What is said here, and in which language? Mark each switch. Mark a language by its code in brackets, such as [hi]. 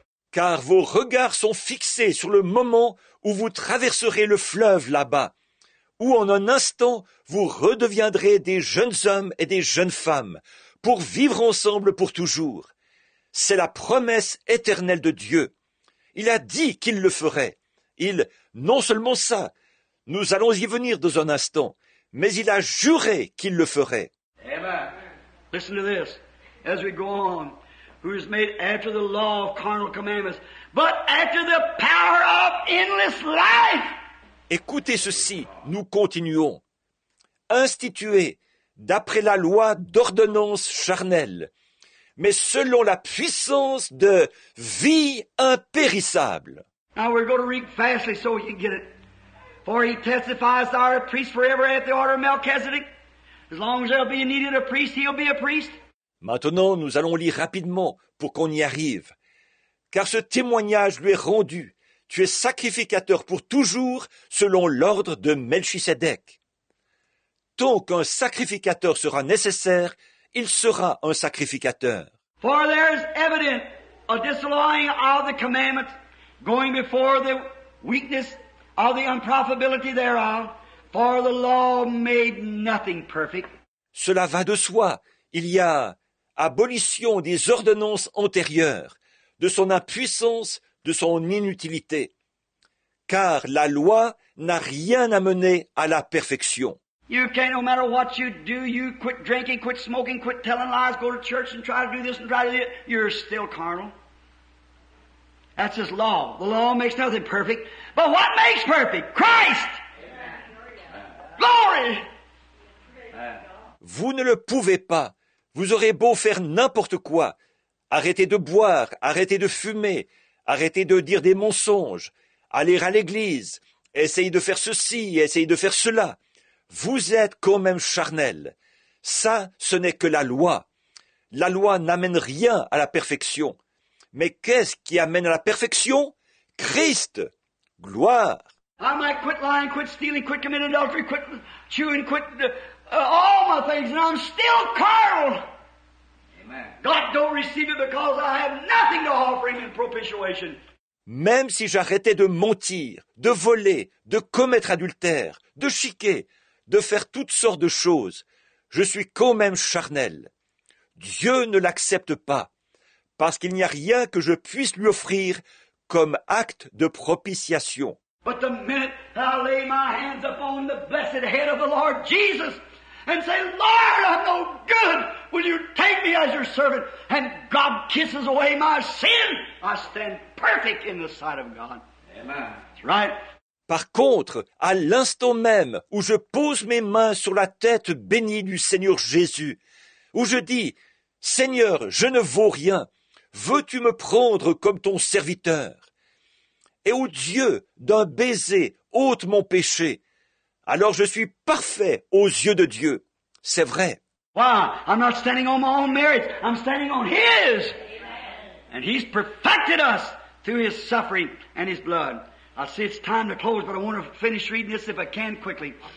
[fr] Car vos regards sont fixés sur le moment où vous traverserez le fleuve là-bas, où en un instant, vous redeviendrez des jeunes hommes et des jeunes femmes pour vivre ensemble pour toujours. C'est la promesse éternelle de Dieu. Il a dit qu'il le ferait. Il, non seulement ça, nous allons y venir dans un instant, mais il a juré qu'il le ferait. [en] Amen. Listen to this. As we go on, who is made after the law of carnal commandments, but after the power of endless life. [fr] Écoutez ceci, nous continuons. Institué d'après la loi d'ordonnance charnelle, mais selon la puissance de vie impérissable. [en] Now we're going to read fastly so you can get it. For he testifies to our priest forever at the order of Melchizedek. As long as there'll be a need of a priest, he'll be a priest. [fr] Maintenant, nous allons lire rapidement pour qu'on y arrive. car ce témoignage lui est rendu. Tu es sacrificateur pour toujours selon l'ordre de Melchisédek. Tant qu'un sacrificateur sera nécessaire, il sera un sacrificateur. [en] For there is evident a disallowing of the commandments going before the weakness of the unprofitability thereof, for the law made nothing perfect. [fr] Cela va de soi. Il y a abolition des ordonnances antérieures, de son impuissance, de son inutilité. Car la loi n'a rien amené à la perfection. [en] You can't, no matter what you do, you quit drinking, quit smoking, quit telling lies, go to church and try to do this and try to do that, you're still carnal. That's his law. The law makes nothing perfect. But what makes perfect? Christ! Amen. Glory! Amen. [fr] Vous ne le pouvez pas. Vous aurez beau faire n'importe quoi. Arrêtez de boire, arrêtez de fumer, arrêtez de dire des mensonges, aller à l'église, essayez de faire ceci, essayez de faire cela. Vous êtes quand même charnel. Ça, ce n'est que la loi. La loi n'amène rien à la perfection. Mais qu'est-ce qui amène à la perfection? Christ! Gloire! [en] I might quit lying, quit stealing, quit committing adultery, quit chewing, quit all my things, and I'm still carnal! Amen. God don't receive it because I have nothing to offer him in propitiation. [fr] Même si j'arrêtais de mentir, de voler, de commettre adultère, de chiquer, de faire toutes sortes de choses, je suis quand même charnel. Dieu ne l'accepte pas, parce qu'il n'y a rien que je puisse lui offrir comme acte de propitiation. [en] But the minute I lay my hands upon the blessed head of the Lord Jesus and say, Lord, I'm no good, will you take me as your servant? And God kisses away my sin, I stand perfect in the sight of God. Amen. That's right. [fr] Par contre, à l'instant même où je pose mes mains sur la tête bénie du Seigneur Jésus, où je dis, Seigneur, je ne vaux rien, veux-tu me prendre comme ton serviteur? Et où Dieu, d'un baiser, ôte mon péché, alors je suis parfait aux yeux de Dieu. C'est vrai. [en] Why? I'm not standing on my own merits, I'm standing on His. And He's perfected us through His suffering and His blood. I see it's time to close, but I want to finish reading this if I can quickly.